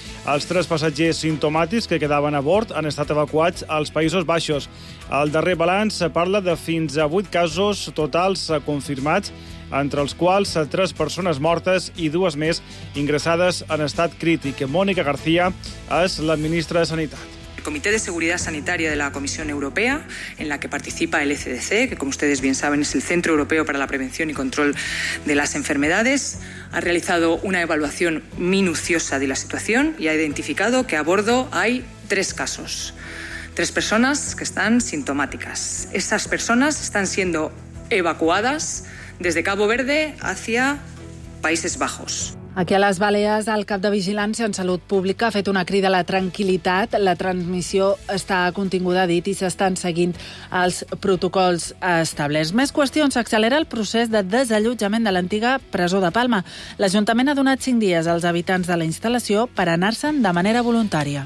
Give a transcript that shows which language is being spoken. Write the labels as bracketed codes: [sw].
[ca] Els tres passatgers simptomàtics que quedaven a bord han estat evacuats als Països Baixos. El darrer balanç parla de fins a 8 casos totals confirmats, entre els quals 3 persones mortes i 2 més ingressades en estat crític. Mònica García és la ministra de Sanitat. [es] El Comité de Seguridad Sanitaria de la Comisión Europea, en la que participa el ECDC, que como ustedes bien saben es el Centro Europeo para la Prevención y Control de las Enfermedades, ha realizado una evaluación minuciosa de la situación y ha identificado que a bordo hay 3 casos, 3 personas que están sintomáticas. Esas personas están siendo evacuadas desde Cabo Verde hacia Países Bajos. [ca] Aquí a les Balears, el cap de Vigilància en Salut Pública ha fet una crida a la tranquil·litat. La transmissió està continguda, ha dit, i s'estan seguint els protocols establerts. Més qüestions. S'accelera el procés de desallotjament de l'antiga presó de Palma. L'Ajuntament ha donat 5 dies als habitants de la instal·lació per anar-se'n de manera voluntària.